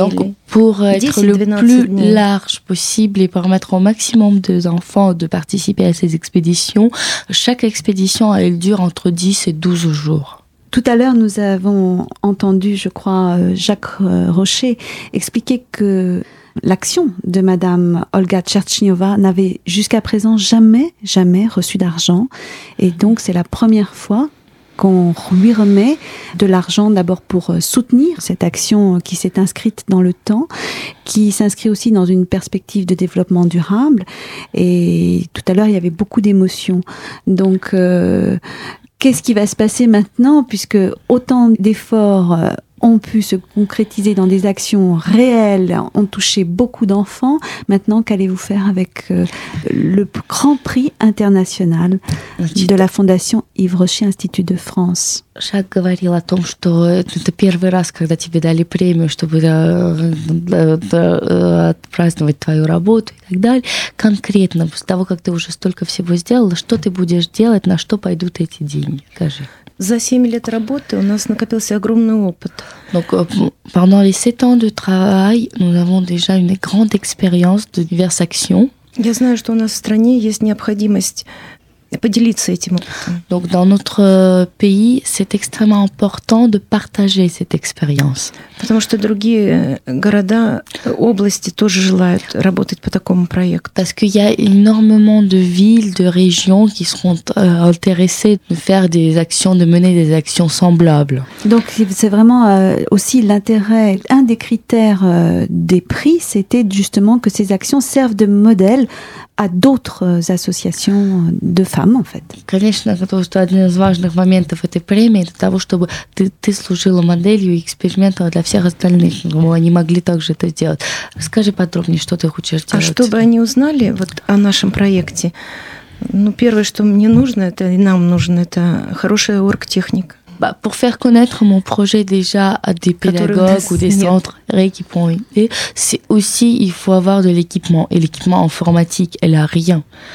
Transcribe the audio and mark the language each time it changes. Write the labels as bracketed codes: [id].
[fr] Donc, pour être le plus large possible et permettre au maximum des enfants de participer à ces expéditions, chaque expédition, elle dure entre 10 et 12 jours. Tout à l'heure, nous avons entendu, je crois, Jacques Rocher expliquer que l'action de Madame Olga Tcherchnyova n'avait jusqu'à présent jamais reçu d'argent. Et donc, c'est la première fois qu'on lui remet de l'argent d'abord pour soutenir cette action qui s'est inscrite dans le temps, qui s'inscrit aussi dans une perspective de développement durable. Et tout à l'heure, il y avait beaucoup d'émotions. Donc, qu'est-ce qui va se passer maintenant, puisque autant d'efforts ont pu se concrétiser dans des actions réelles, ont touché beaucoup d'enfants. Maintenant, qu'allez-vous faire avec le Grand Prix international de la Fondation Yves Rocher Institut de France? [ru] Шак говорил о том, что это первый раз, когда тебе дали премию, чтобы отпраздновать твою работу и так далее. Конкретно, после того, как ты уже столько всего сделала, что ты будешь делать, на что пойдут эти деньги? Скажи. За 7 лет работы у нас накопился огромный опыт. [fr] Donc, pendant les 7 ans de travail, nous avons déjà une grande expérience de diverses actions. [ru] Я знаю, что у нас в стране есть необходимость поделиться этим опытом. [fr] Donc, dans notre pays, c'est extrêmement important de partager cette expérience. [ru] Потому что другие города, области тоже желают работать по такому проекту. [fr] Parce qu'il y a énormément de villes, de régions qui seront intéressées de faire des actions, de mener des actions semblables. Donc c'est vraiment aussi l'intérêt, un des critères des prix, c'était justement que ces actions servent de modèle à d'autres associations de femmes, en fait. [ru] Конечно, это тоже один из важных моментов этой премии, для того, чтобы ты служила моделью и экспериментом для всех остальных, чтобы они могли также это сделать. Скажи подробнее, что ты хочешь делать. А чтобы они узнали вот о нашем проекте, ну, первое, что мне нужно, это и нам нужно, это хорошая оргтехника. [fr] Bah, pour faire connaître mon projet déjà à des pédagogues ou des centres qui pourront aider, c'est aussi, il faut avoir de l'équipement. Et l'équipement informatique, elle n'a rien.